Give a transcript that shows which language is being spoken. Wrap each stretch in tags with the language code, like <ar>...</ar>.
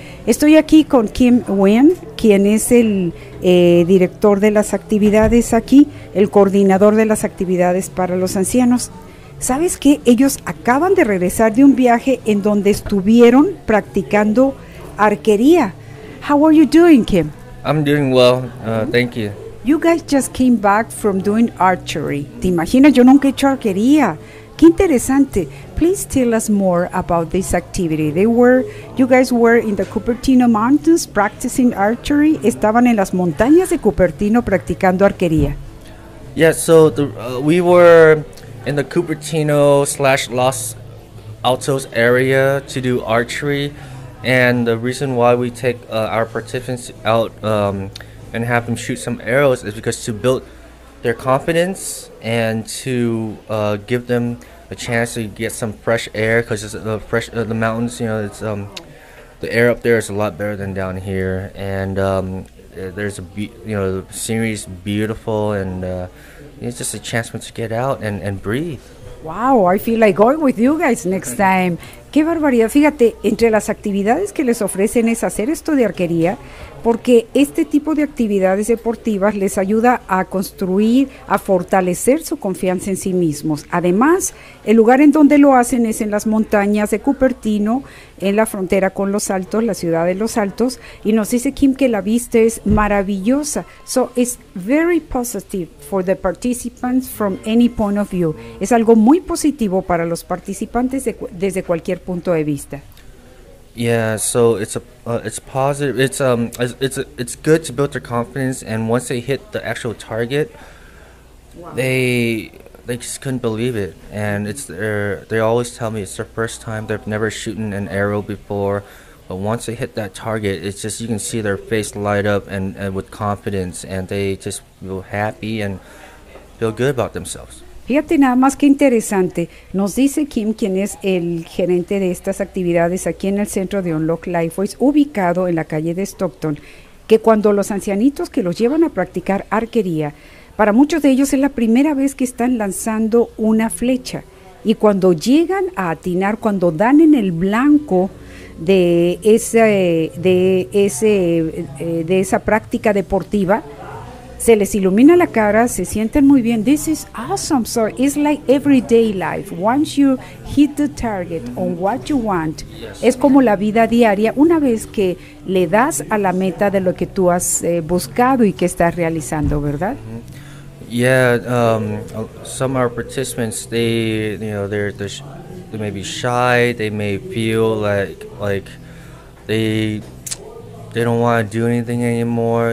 <es>Estoy aquí con Kim Nguyen, quien es el director de las actividades aquí, el coordinador de las actividades para los ancianos. ¿Sabes qué? Ellos acaban de regresar de un viaje en donde estuvieron practicando arquería.</es> <en>How are you doing, Kim? I'm doing well. Thank you. You guys just came back from doing archery.</en> <es>¿Te imaginas? Yo nunca he hecho arquería. Qué interesante.</es> <en>Please tell us more about this activity. You guys were in the Cupertino Mountains practicing archery.</en> <es>Estaban en las montañas de Cupertino practicando arquería.</es> <en>Yeah, so we were in the Cupertino / Los Altos area to do archery. And the reason why we take our participants out and have them shoot some arrows is because to build their confidence and to give them a chance to get some fresh air, because the mountains, you know, it's the air up there is a lot better than down here, and there's a the scenery is beautiful, and it's just a chance to get out and breathe. Wow, I feel like going with you guys next time.</en> <es>Qué barbaridad. Fíjate, entre las actividades que les ofrecen es hacer esto de arquería, porque este tipo de actividades deportivas les ayuda a construir, a fortalecer su confianza en sí mismos. Además, el lugar en donde lo hacen es en las montañas de Cupertino, en la frontera con Los Altos, la ciudad de Los Altos, y nos dice Kim que la vista es maravillosa.</es> <en>So it's very positive for the participants from any point of view.</en> <es>Es algo muy positivo para los participantes desde cualquier punto de vista.</es> <en>Yeah, so it's positive. It's good to build their confidence, and once they hit the actual target, they just couldn't believe it. And they always tell me it's their first time. They've never shooten an arrow before, but once they hit that target, it's just, you can see their face light up and with confidence, and they just feel happy and feel good about themselves.</en> <es>Fíjate nada más qué interesante. Nos dice Kim, quien es el gerente de estas actividades aquí en el centro de On Lok Lifeways, ubicado en la calle de Stockton, que cuando los ancianitos que los llevan a practicar arquería, para muchos de ellos es la primera vez que están lanzando una flecha. Y cuando llegan a atinar, cuando dan en el blanco de esa práctica deportiva, se les ilumina la cara, se sienten muy bien.</es> <en>This is awesome, sir. It's like everyday life. Once you hit the target on what you want, yes,</en> <es>es como la vida diaria. Una vez que le das a la meta de lo que tú has buscado y que estás realizando, ¿verdad?</es> <en>Yeah, some of our participants, they may be shy. They may feel like they don't want to do anything anymore.</en>